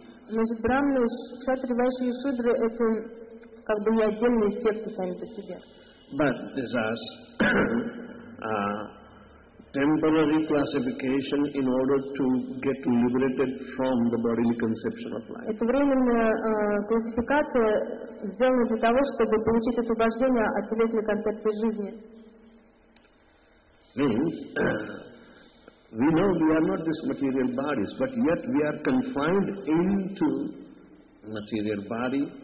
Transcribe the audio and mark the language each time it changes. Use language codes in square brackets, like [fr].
[ru] Значит, брахманы, кшатрии, вайшьи и шудры — это как бы не отдельные секты сами по себе. [en] But these are temporary classification in order to get liberated from the bodily conception of life. [ru] Это временная классификация, сделана для того, чтобы получить освобождение от телесной концепции жизни. [en] Means we know we are not this material bodies, but yet we are confined into material body.